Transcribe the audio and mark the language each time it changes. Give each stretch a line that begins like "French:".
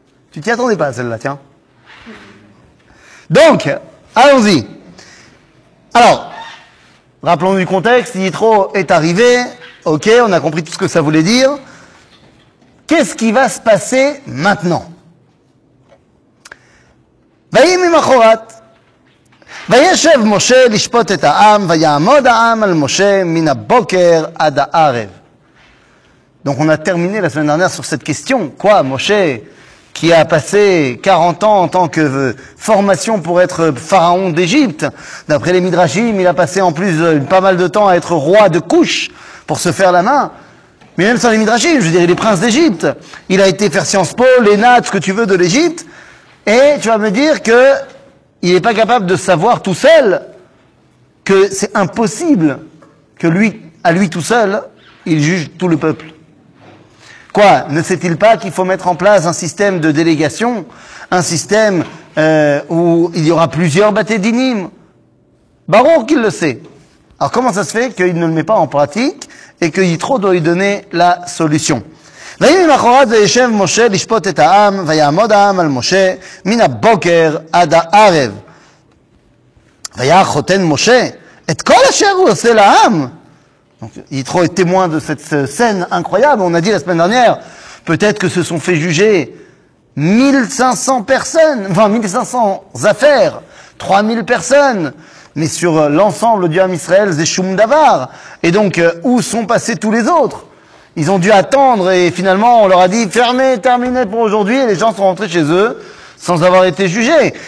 French: Tu t'y attendais pas, celle-là, tiens. Donc, allons-y. Alors, rappelons du contexte. Yitro est arrivé. Ok, on a compris tout ce que ça voulait dire. Qu'est-ce qui va se passer maintenant?
Hebrew: ויהי ממחרת וישב משה לשפוט את העם ויעמוד העם על משה מן הבוקר עד הערב.
French: Donc on a terminé la semaine dernière sur cette question. Quoi, Moshe qui a passé 40 ans en tant que formation pour être pharaon d'Égypte. D'après les Midrashim, il a passé en plus pas mal de temps à être roi de Kush pour se faire la main. Mais même sans les Midrashim, je veux dire, il est prince d'Égypte. Il a été faire Sciences Po, l'ENA, ce que tu veux de l'Égypte. Et tu vas me dire que il n'est pas capable de savoir tout seul que c'est impossible que lui, à lui tout seul, il juge tout le peuple. Quoi ? Ne sait-il pas qu'il faut mettre en place un système de délégation, un système où il y aura plusieurs batei dinim ? Baruch qu'il le sait. Alors comment ça se fait qu'il ne le met pas en pratique et que Yitro doit lui donner la solution ?
Hebrew: ויהי ממחרת וישב משה לשפוט את העם ויעמוד העם על משה מן הבוקר עד הערב. ויהי חותן משה את כל אשר הוא עושה לעם. יתרו את
French: témoin de cette scène incroyable. On a dit la semaine dernière, peut-être que se sont fait juger 1500 personnes, enfin 1500 affaires, 3000 personnes, mais sur l'ensemble du Ham Israël, c'est Shum Davar. Et donc, où sont passés tous les autres? Ils ont dû attendre et finalement on leur a dit fermé, terminé pour aujourd'hui et les gens sont rentrés chez eux sans avoir été jugés.